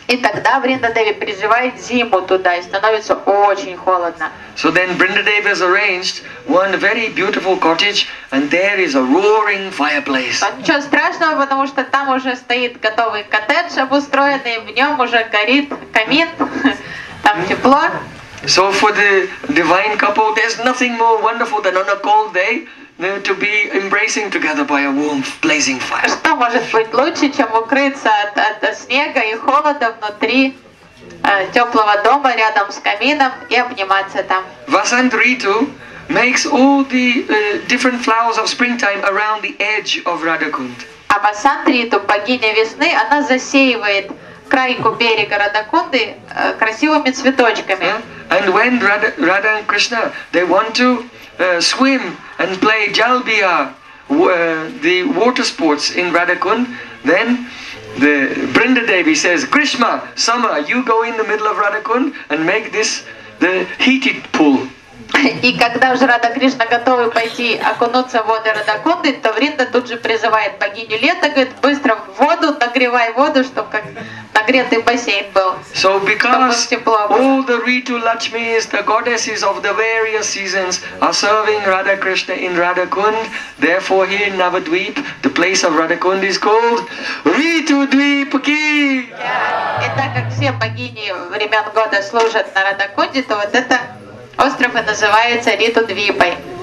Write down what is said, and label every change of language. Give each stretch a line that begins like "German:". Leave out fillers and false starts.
Russian: И тогда Vrinda Devi призывает зиму туда, и становится очень холодно.
English: So then Vrinda Devi has arranged one very beautiful cottage, and there is a roaring fireplace.
Russian: Ничего страшного, потому что там уже стоит готовый коттедж обустроенный, в нем уже горит камин, там тепло.
English: So for the divine couple, there's nothing more wonderful than on a cold day to be embracing together by a warm blazing fire.
Russian: Что может быть лучше, чем укрыться от снега и холода внутри теплого дома рядом с камином и обниматься там?
English: Vasant Ritu makes all the different flowers of springtime around the edge of Radhakund.
Russian: А Vasant Ritu, богиня весны, она засеивает крайку берега Радхакунды красивыми цветочками.
English: And when Radha and Krishna, they want to swim and play Jalbiha, the water sports in Radhakund, then the Vrinda Devi says, Krishna, summer, you go in the middle of Radhakund and make this the heated pool.
Russian: И когда уже Радха Кришна готовы пойти окунуться в воды Радхакунды, то Вринда тут же призывает богиню лета, говорит, быстро в воду, нагревай воду, чтобы как нагретый бассейн был.
English: So because all the Ritu Lakshmis, the goddesses of the various seasons, are serving Radha Krishna in Radhakund, therefore here in Navadvip, the place of Radhakund is called Ritu Dvip Ki.
Russian: И так как все богини времен года служат на Радхакунде, то вот это Остров называется Риту-Двипой.